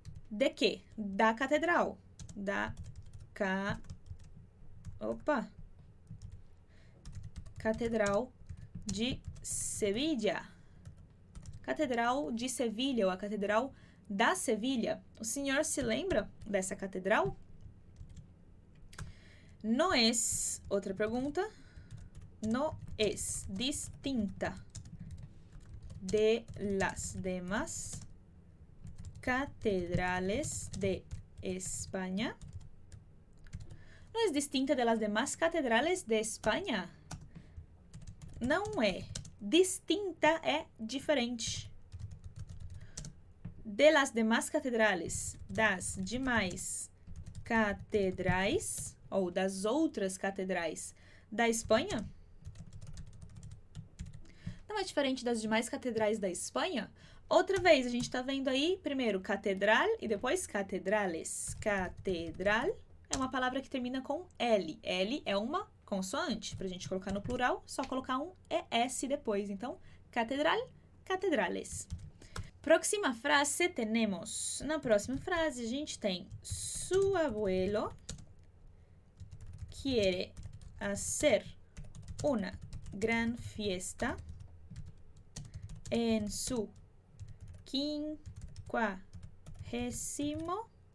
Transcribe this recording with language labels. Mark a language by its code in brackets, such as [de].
[pt] De quê? Da catedral. Da ca. Opa! Catedral de Sevilha. Catedral de Sevilha, ou a catedral da Sevilha. O senhor se lembra dessa catedral? No es. Outra pergunta. [es] No es distinta de las demás catedrales de España. No es distinta de las demás catedrales de España. [pt] Não é. Distinta é diferente. De las demás catedrales. Das demais catedrais. Ou das outras catedrais da Espanha? Não é diferente das demais catedrais da Espanha? Outra vez, a gente está vendo aí primeiro catedral e depois catedrales. Catedral é uma palavra que termina com L. L é uma consoante. Para a gente colocar no plural, só colocar um ES depois. Então, catedral, catedrales. Próxima frase, temos. Na próxima frase, a gente tem [es] su abuelo. Quiere hacer una gran fiesta en su quinquagésimo.